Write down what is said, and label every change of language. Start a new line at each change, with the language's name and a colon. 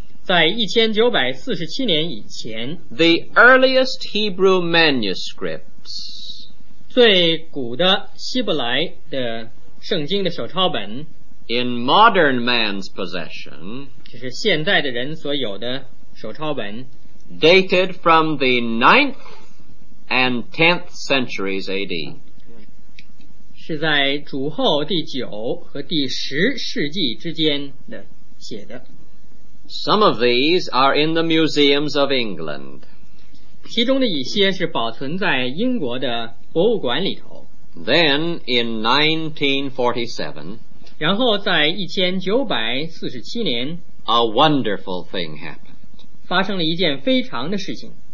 Chinese: 在1947年以前
English: The earliest Hebrew manuscripts
Chinese: 最古的希伯来的圣经的手抄本
English: In modern man's possession
Chinese: 就是现在的人所有的手抄本
English: Dated from the 9th and 10th centuries AD
Chinese: 是在主后第九和第十世纪之间的写的
English: Some of these are in the museums of England.
Chinese: 其中的一些是保存在英国的博物馆里头。
English: Then in 1947,
Chinese: 然后在1947年
English: a wonderful thing happened.
Chinese: 发生了一件非常的事情。